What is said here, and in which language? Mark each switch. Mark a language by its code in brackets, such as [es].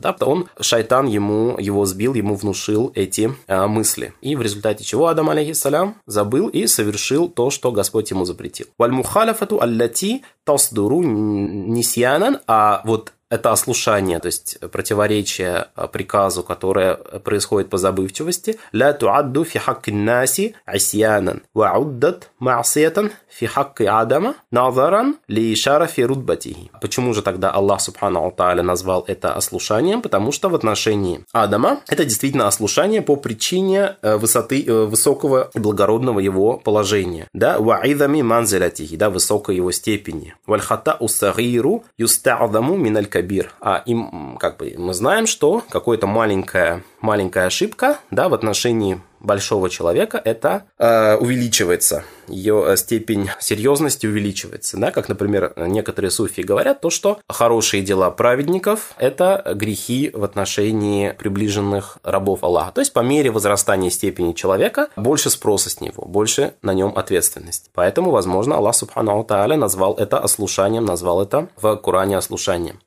[ru] Да, потому он, шайтан ему, его сбил, ему внушил эти мысли. И в результате чего Адам, алейхиссалям, забыл и совершил то, что Господь ему запретил. [ar] Валь-мухалафату аллати тасдуру нисьянан, [ru] а вот это ослушание, то есть противоречие приказу, которое происходит по забывчивости. [ar] لا تعد في حق الناس عصيانا وعدت معصية في حق آدم نظرا لشرف رتبته. [ru] Почему же тогда Аллах Субхана ва Тааля назвал это ослушанием? Потому что в отношении Адама это действительно ослушание по причине высоты, высокого и благородного его положения. Да, [ar] وعظم منزلته, [ru] да, высокой его степени. [ar] والخطأ الصغير يستعظم من الكبير. [ru] А им, как бы, мы знаем, что какое-то маленькая ошибка, да, в отношении большого человека, это увеличивается, ее степень серьезности увеличивается, да, как, например, некоторые суфии говорят, то, что хорошие дела праведников, это грехи в отношении приближенных рабов Аллаха, то есть по мере возрастания степени человека, больше спроса с него, больше на нем ответственность, поэтому, возможно, Аллах Субхана ва Тааля назвал это ослушанием, назвал это в Коране ослушанием.